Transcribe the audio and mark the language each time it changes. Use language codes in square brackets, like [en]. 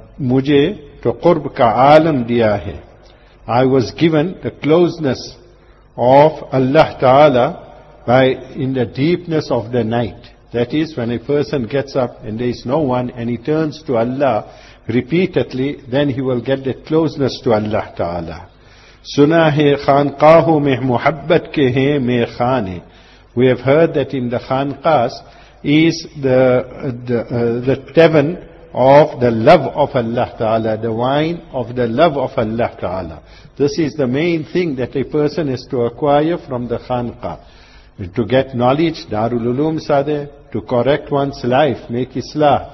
[ur] مجھے تو قرب کا عالم دیا ہے. [en] I was given the closeness of Allah Ta'ala in the deepness of the night. That is, when a person gets up and there is no one and he turns to Allah repeatedly, then he will get the closeness to Allah Ta'ala. [ur] سنا ہے خانقاہوں میں محبت کے ہیں میں خانے. [en] We have heard that in the khanqas is the tavern of the love of Allah Ta'ala, the wine of the love of Allah Ta'ala. This is the main thing that a person is to acquire from the khanqa. To get knowledge, Darul Uloom Sade, to correct one's life, make islah.